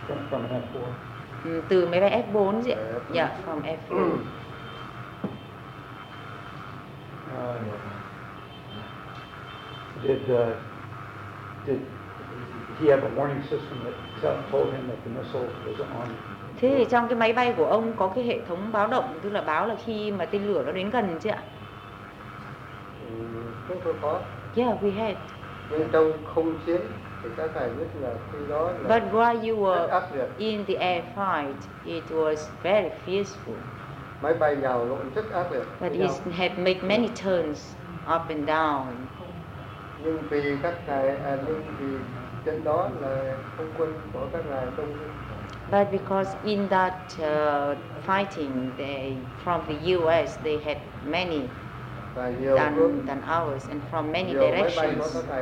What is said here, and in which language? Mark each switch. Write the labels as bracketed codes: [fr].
[en] From F4. [vi] Từ máy bay F4 gì? [en] Dạ, from F4. Did he had a warning system that told him that the missile was on. [vi] Thế thì trong cái máy bay của ông có cái hệ thống báo động, tức là báo là khi mà tên lửa nó đến gần chứ ạ? Chúng tôi có. [en] Yeah, we had. [vi] Nhưng trong không chiến thì các ngài biết là khi đó là [en] but while you were in the air fight, it was very fearful. [vi] Máy bay nhào lộn rất ác liệt. [en] But it had made many turns up and down. [vi] Nhưng vì các ngài, nhưng vì trên đó là không quân của các ngài đông. [en] But because in that fighting, they from the U.S. they had many than ours, and from many directions.